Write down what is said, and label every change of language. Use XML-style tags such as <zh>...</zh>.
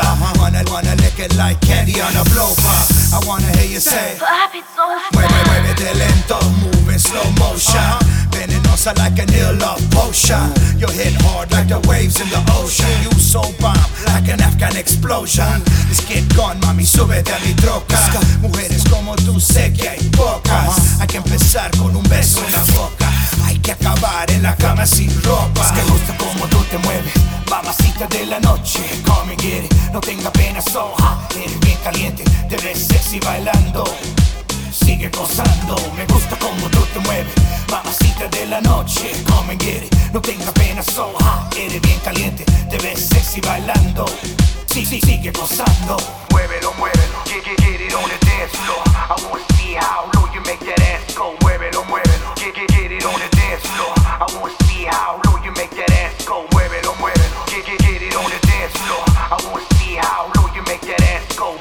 <en>I wanna lick it like candy on a blow pop. I wanna hear you say, pop it so fast.</en> <es>Muevete lento,</es> <en>move in slow motion. Venenosa like an ill love potion. You hit hard like the waves in the ocean. You so bomb, like an Afghan explosion. Let's get gone,</en> <es>mami, súbete a mi troca. Mujeres como tú sé que hay pocas. Hay que empezar con un beso en la boca. Hay que acabar en la cama sin ropa. Es que justo como tú te mueves, mamacita de la noche.</es> <en>Come and get it,</en> <es>no tenga pena,</es> <en>so hot.</en> <es>Eres bien caliente, te ves sexy bailando. Sigue gozando, me gusta como tú te mueves. Mamacita de la noche,</es> <en>come and get it.</en> <es>No tenga pena,</es> <en>so hot.</en> <es>Eres bien caliente, te ves sexy bailando. Sí, sí, sigue gozando. Muévelo, muévelo,</es> <en>get it on the dance floor. I wanna see how low you make that ass go. Muévelo, muévelo, get it on the dance floor. I wanna see how low you make that ass go.</en> <es>Muévelo, muévelo,</es> <en>get it on the dance floor. I wanna see how low you make that ass go.</en>